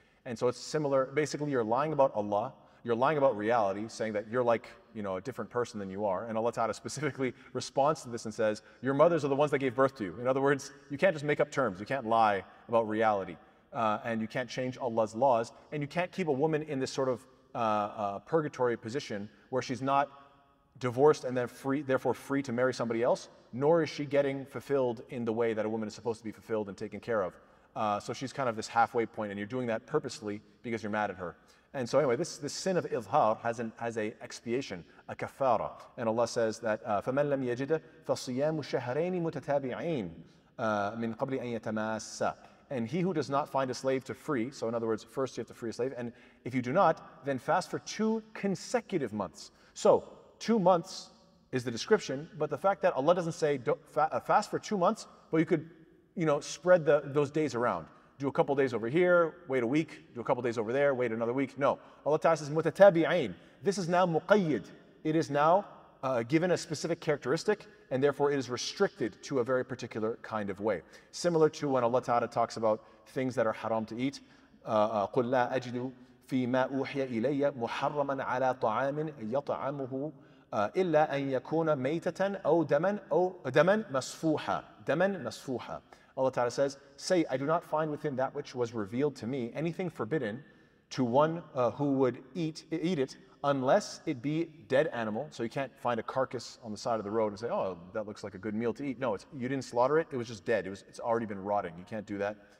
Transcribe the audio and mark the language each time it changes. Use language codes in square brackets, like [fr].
[en] And so it's similar, basically you're lying about Allah, you're lying about reality, saying that you're like, you know, a different person than you are. And Allah Ta'ala specifically responds to this and says, your mothers are the ones that gave birth to you. In other words, you can't just make up terms, you can't lie about reality, and you can't change Allah's laws, and you can't keep a woman in this sort of purgatory position where she's not divorced and then free, therefore free to marry somebody else, nor is she getting fulfilled in the way that a woman is supposed to be fulfilled and taken care of. So she's kind of this halfway point, and you're doing that purposely because you're mad at her. And so anyway, this sin of izhar has a expiation, a kafara. And Allah says that [ar] فَمَنْ لَمْ يَجِدَ فَصِيَامُ شَهْرَيْنِ مُتَتَابِعِينَ مِنْ قَبْلِ أَنْ يَتَمَاسَ. [en] And he who does not find a slave to free, so in other words, first you have to free a slave, and if you do not, then fast for 2 consecutive months. So 2 months is the description, but the fact that Allah doesn't say fast for 2 months, but you could, you know, spread those days around. Do a couple days over here, wait a week, do a couple days over there, wait another week. No, Allah Ta'ala says mutatabi'ain. This is now muqayyid. It is now given a specific characteristic, and therefore it is restricted to a very particular kind of way. Similar to when Allah Ta'ala talks about things that are haram to eat. [ar] قُلْ لَا أَجِدُ فِي مَا أُوحِيَ إِلَيَّ مُحَرَّمًا عَلَى طَعَامٍ يَطْعَمُهُ إِلَّا أَنْ يَكُونَ مَيْتَةً أَوْ دَمًا أَوْ دَمًا مَصْفُوحًا دَمًا مَصْفُوحًا. [en] Allah Ta'ala says, say, I do not find within that which was revealed to me anything forbidden to one who would eat it, unless it be dead animal. So you can't find a carcass on the side of the road and say, oh, that looks like a good meal to eat. No, you didn't slaughter it, it was just dead. It's already been rotting, you can't do that.